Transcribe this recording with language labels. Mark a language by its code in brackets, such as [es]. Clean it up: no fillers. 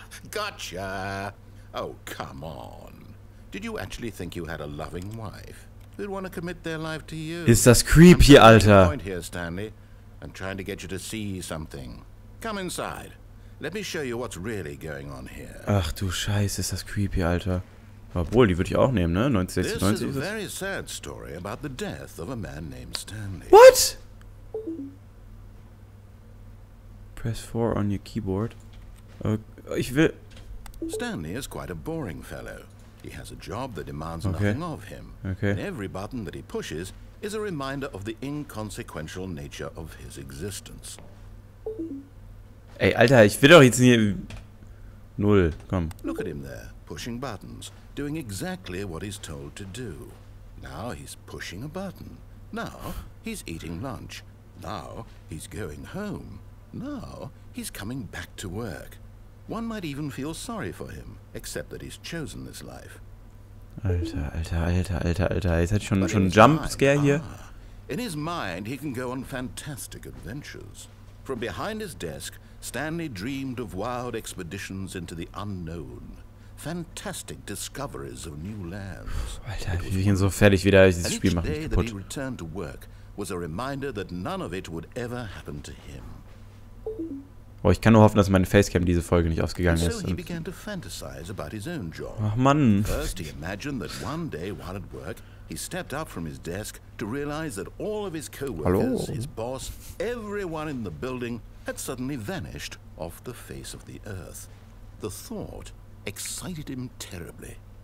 [en] Gotcha. Oh, come on. Did you actually think you had a loving wife? Who'd want to commit their life to you? [de] Ist das creepy, Alter? [en] Point here, Stanley. I'm trying to get you to see something. Come inside. Let me show you what's really going on here. [de] Ach du Scheiße, ist das creepy, Alter. Obwohl, die würde ich auch nehmen, ne? 1996 ist es. [en] This is a very sad story about the death of a man named Stanley. What? Press 4 on your keyboard. Okay, [de] ich will... [en] Stanley is quite a boring fellow. He has a job that demands nothing of him. Okay. And every button that he pushes is a reminder of the inconsequential nature of his existence. [de] Ey, Alter, ich will doch jetzt nicht... Null, komm. [en] Look at him there, pushing buttons, doing exactly what he's told to do. Now he's pushing a button. Now he's eating lunch. Now he's going home. Now he's coming back to work. One might even feel sorry for him, except that he's chosen this life. [de] Alter, Alter, Alter, Alter, Alter, jetzt hat schon Jumpscare hier. [en] In his mind he can go on fantastic adventures. From behind his desk, Stanley dreamed of wild expeditions into the unknown. Fantastic discoveries of new lands. [de] Alter, ich bin so fertig wieder, dieses Spiel macht mich kaputt. [en] He returned to work was a reminder that none of it would ever happen to him. [de] Oh, ich kann nur hoffen, dass meine Facecam diese Folge nicht ausgegangen ist. [en] Und so began to fantasize about his own job. [de] Ach Mann. [en] First he imagined that one day while at work, he stepped up from his desk to realize that all of his co-workers, his boss, everyone in the building had suddenly vanished off the face of the earth. The thought excited him terribly.